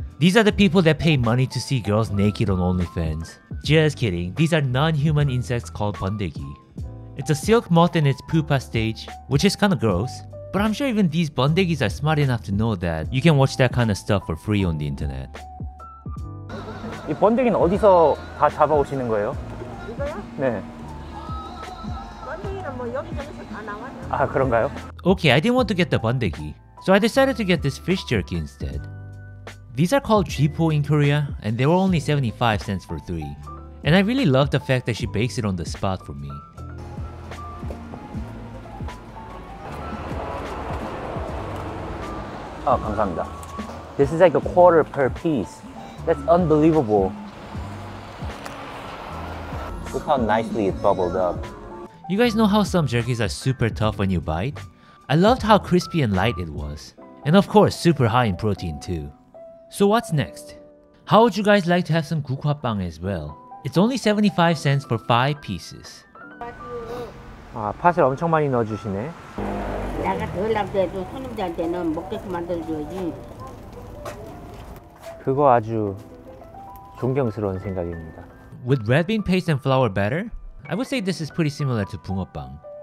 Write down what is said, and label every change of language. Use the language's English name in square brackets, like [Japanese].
[English] These are the people that pay money to see girls naked on OnlyFans. Just kidding, these are non-human insects called 번데기. It's a silk moth in its pupa stage, which is kinda gross. But I'm sure even these 번데기s are smart enough to know that you can watch that kind of stuff for free on the internet. [Korean] 이 번데기는 어디서 다 잡아오시는 거예요? 이거요? 네. 번데기는 뭐 여기저기서 다 나와요. 아, 그런가요? [English] Okay, I didn't want to get the 번데기. So I decided to get this fish jerky instead. These are called jipo in Korea, and they were only 75 cents for 3. And I really love the fact that she bakes it on the spot for me. Oh, [Korean] 감사합니다. [English] This is like a quarter per piece. That's unbelievable. Look how nicely it bubbled up. You guys know how some jerkies are super tough when you bite? I loved how crispy and light it was. And of course, super high in protein too. So what's next? How would you guys like to have some Gukhwa Bbang as well? It's only 75 cents for 5 pieces. [Korean] 아, 팥을 엄청 많이 넣어주시네. 내가 돌아갈 때도 손님들한테는 먹게끔 만들어줘야지. 그거 아주 존경스러운 생각입니다. [English] With red bean paste and flour batter, I would say this is pretty similar to Bungeo Bbang.